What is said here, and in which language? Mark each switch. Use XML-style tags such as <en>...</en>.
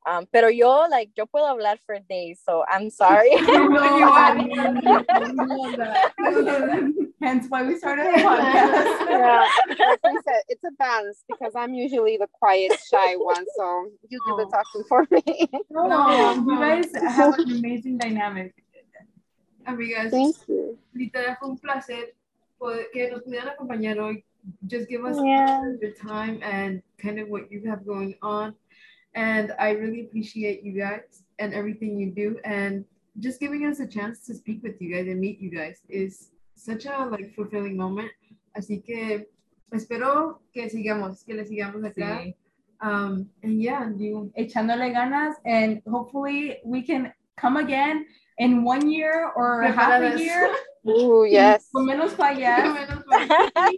<es>Pero yo,</es> <en>like,</en> <es>yo puedo hablar</es> <en>for days, so I'm sorry. No, I love that. Hence why we started the podcast. Yeah, like you said, it's a balance, because I'm usually the quiet, shy one, so you do the talking for me. No, you guys have an amazing dynamic.</en> <es>Amigas, literal, fue un placer que nos pudieran acompañar hoy.</es> <en>Just give us your time and kind of what you have going on. And I really appreciate you guys and everything you do. And just giving us a chance to speak with you guys and meet you guys is such a like fulfilling moment.</en> <es>Así que espero que sigamos, que le sigamos acá. Sí.</es> <en>And yeah,</en> <es>echándole ganas,</es> <en>and hopefully we can come again in 1 year or half a year. Ooh, yes.</en> <es>Por menos para allá.</es>